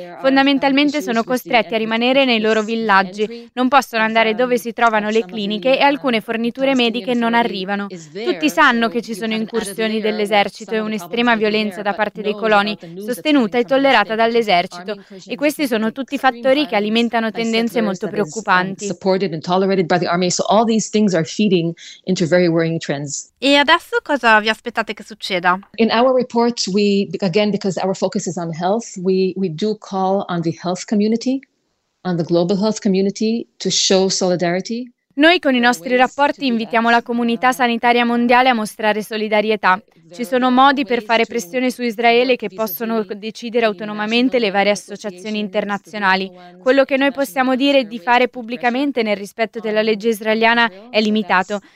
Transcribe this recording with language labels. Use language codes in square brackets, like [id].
[it] Fondamentalmente sono costretti a rimanere nei loro villaggi, non possono andare dove si trovano le cliniche e alcune forniture mediche non arrivano. Tutti sanno che ci sono incursioni dell'esercito e un'estrema violenza da parte dei coloni sostenuta e tollerata dall'esercito, e questi sono tutti fattori che alimentano tendenze molto preoccupanti. [en] Supported and tolerated by the army, so all these things are feeding into very worrying trends. [it] E adesso cosa vi aspettate che succeda? [en] In our report, we again, because our focus is on health, we do call on the health community, on the global health community, to show solidarity. [it] Noi con i nostri rapporti invitiamo la comunità sanitaria mondiale a mostrare solidarietà. Ci sono modi per fare pressione su Israele che possono decidere autonomamente le varie associazioni internazionali. Quello che noi possiamo dire di fare pubblicamente nel rispetto della legge israeliana è limitato.